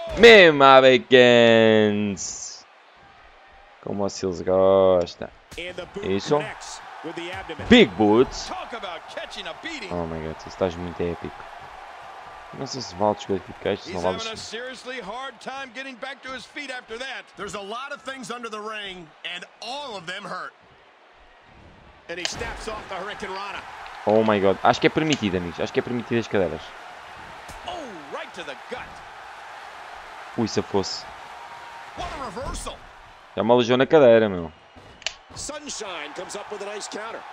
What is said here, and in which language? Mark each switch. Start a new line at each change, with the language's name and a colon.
Portuguese: Mesmo, Abacans. Como o Silas gosta. Isso. Big Boots! Oh my God, tu estás muito épico. Não sei se vale desqualificar isto, se não vale desqualificar.
English: There's a lot of things under the ring, and all of them hurt. And he snaps off the Hurricane Rana.
Portuguese: Oh my God, acho que é permitido, amigos. Acho que é permitido as cadeiras.
English: Oh, right to the gut.
Portuguese: Ui, se eu fosse. É uma lesão na cadeira, meu.
English: Sunshine comes up with a nice counter.